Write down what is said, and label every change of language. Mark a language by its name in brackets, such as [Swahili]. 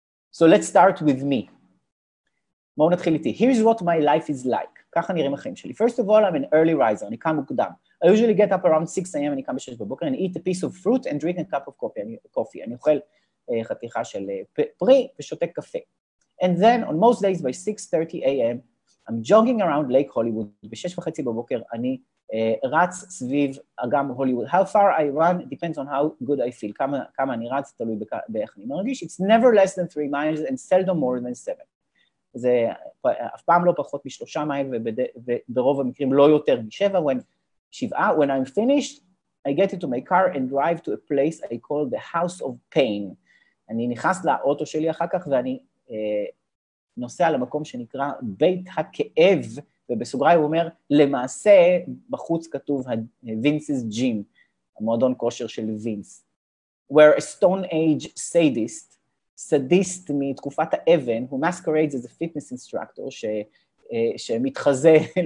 [English] So let's start with me. [Hebrew] בואו נתחיל איתי. [English] Here's what my life is like. [Hebrew] ככה נראים החיים שלי. [English] First of all, I'm an early riser. [Hebrew] אני קם מוקדם. [English] I usually get up around 6 a.m. [Hebrew] אני קם בשש בבוקר. [English] I eat a piece of fruit and drink a cup of coffee. [Hebrew] אני אוכל חתיכה של פרי ושותק קפה. [English] And then on most days by 6:30 a.m. I'm jogging around Lake Hollywood. [Hebrew] בשש וחצי בבוקר אני רץ סביב אגם הוליווד. [English] How far I run depends on how good I feel. [Hebrew] כמה אני רץ, תלוי באיך אני מרגיש. [English] It's never less than 3 miles and seldom more than 7. [Hebrew] זה אף פעם לא פחות משלושה מייל, וברוב המקרים לא יותר משבע. [English] שבעה, when I'm finished, I get into my car and drive to a place I call the house of pain. [Hebrew] אני נכנס לאוטו שלי אחר כך, ואני נוסע למקום שנקרא בית הכאב, ובסוגריי הוא אומר, למעשה בחוץ כתוב Vince's gym, המועדון כושר של וינס, [English] where a stone age sadist [Hebrew] מתקופת האבן, [English] who masquerades as a fitness instructor, [Hebrew] שמתחזה